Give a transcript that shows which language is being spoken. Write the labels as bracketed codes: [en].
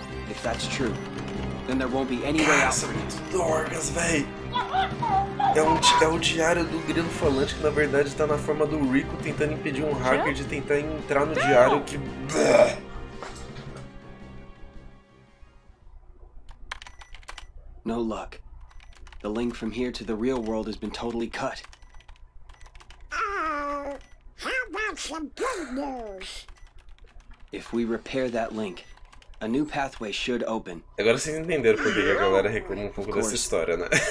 [en] If that's true, then there won't be any way out. [pt] Dorgas, véi! É o diário do Grilo Falante que, na verdade, tá na forma do Rico tentando impedir um hacker de tentar entrar no diário que... [en] No luck. The link from here to the real world has been totally cut. Oh, how about some good news? If we repair that link, a new pathway should open. [pt] Agora vocês entenderam por que a galera reclama um pouco dessa história, né?